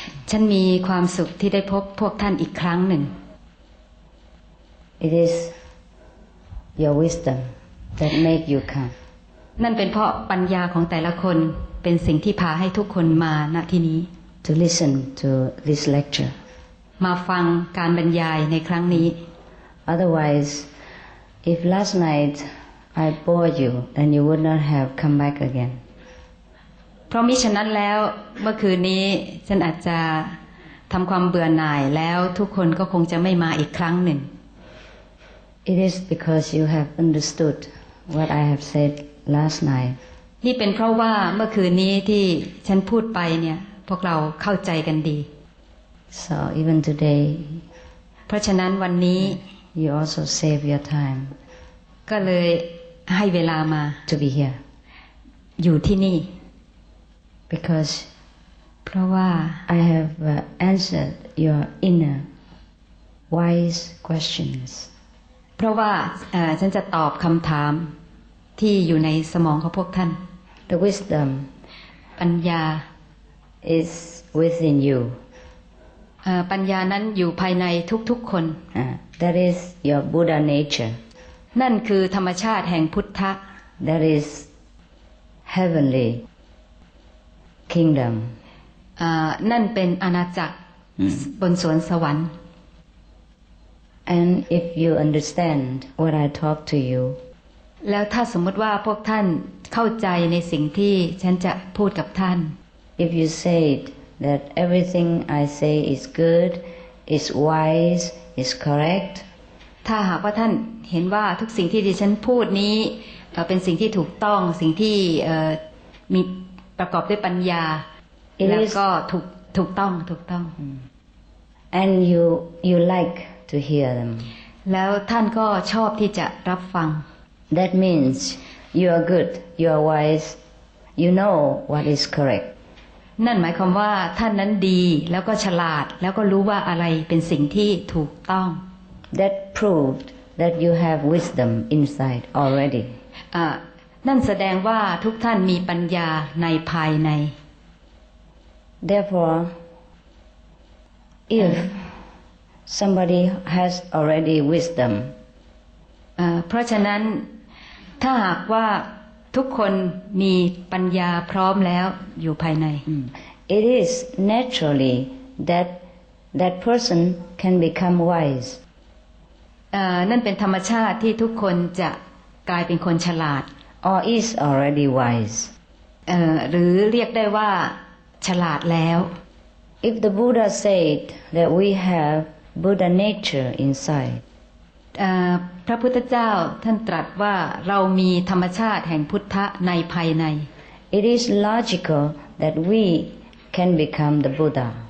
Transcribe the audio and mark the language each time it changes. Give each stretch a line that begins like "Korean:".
Thai: ฉันมีความสุขที่ได้พบพวกท่านอีกครั้งหนึ่ง
English: It is your wisdom that make you come.
Thai: นั่นเป็นเพราะปัญญาของแต่ละคนเป็นสิ่งที่พาให้ทุกคนมาณที่นี้
English: To listen to this lecture.
Thai: มาฟังการบรรยายในครั้งนี้
English: Otherwise, if last night I bore you, then you would not have come back again.
Thai: เพราะมิฉะนั้นแล้วเมื่อคืนนี้ฉันอาจจะทำความเบื่อหน่ายแล้วทุกคนก็คงจะไม่มาอีกครั้งหนึ่ง
English: It is because you have understood what I have said last night.
Thai: นี่เป็นเพราะว่าเมื่อคืนนี้ที่ฉันพูดไปเนี่ยพวกเราเข้าใจกันดี
English: So even today,
Thai: เพราะฉะนั้นวันนี้
English: you also save your time.
Thai: ก็เลยให้เวลามา
English: to be here.
Thai: อยู่ที่นี่
English: because
Thai: เพราะว่า
English: I have answered your inner wise questions.
Thai: เพราะว่าฉันจะตอบคำถามที่อยู่ในสมองของพวกท่าน
English: The wisdom,
Thai: ปัญญา
English: is within you.
Thai: ปัญญานั้นอยู่ภายในทุกๆคน
English: That is your Buddha nature
Thai: นั่นคือธรรมชาติแห่งพุทธะ
English: That is heavenly kingdom
Thai: นั่นเป็นอาณาจักรบนสวนสวรรค์
English: And if you understand what I talk to you
Thai: แล้วถ้าสมมติว่าพวกท่านเข้าใจในสิ่งที่ฉันจะพูดกับท่าน
English: If you say itThat everything I say is good, is wise, is correct.
Thai: ถ้าหากว่าท่านเห็นว่าทุกสิ่งที่ดิฉันพูดนี้เป็นสิ่งที่ถูกต้องสิ่งที่มีประกอบด้วยปัญญาแล้วก็ถูกต้อง
English: And you like to hear them.
Thai: แล้วท่านก็ชอบที่จะรับฟัง
English: That means you are good, you are wise, you know what is correct.
Thai: นั่นหมายความว่าท่านนั้นดีแล้วก็ฉลาดแล้วก็รู้ว่าอะไรเป็นสิ่งที่ถูกต้อง
English: That proved that you have wisdom inside already.
Thai: นั่นแสดงว่าทุกท่านมีปัญญาในภายใน
English: Therefore, if somebody has already wisdom,
Thai: เพราะฉะนั้นถ้าหากว่าทุกคนมีปัญญาพร้อมแล้วอยู่ภายใน
English: It is naturally that person can become wise.
Thai: นั่นเป็นธรรมชาติที่ทุกคนจะกลายเป็นคนฉลาด
English: Or is already wise.
Thai: หรือเรียกได้ว่าฉลาดแล้ว
English: If the Buddha said that we have Buddha nature inside.
Thai: พระพุทธเจ้าท่านตรัสว่าเรามีธรรมชาติแห่งพุทธในภายใน
English: It is logical that we can become the Buddha.